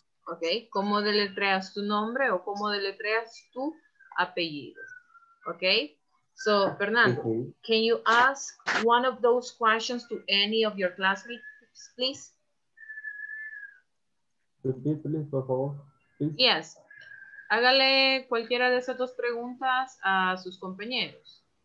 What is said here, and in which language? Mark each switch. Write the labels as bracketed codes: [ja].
[es] Okay, ¿cómo deletreas tu nombre o cómo deletreas tu apellido? [en] Okay, so Fernando, can you ask one of those questions to any of your classmates, please? Please, por favor. Please. [es] Yes, hágale cualquiera de esas dos preguntas a sus compañeros.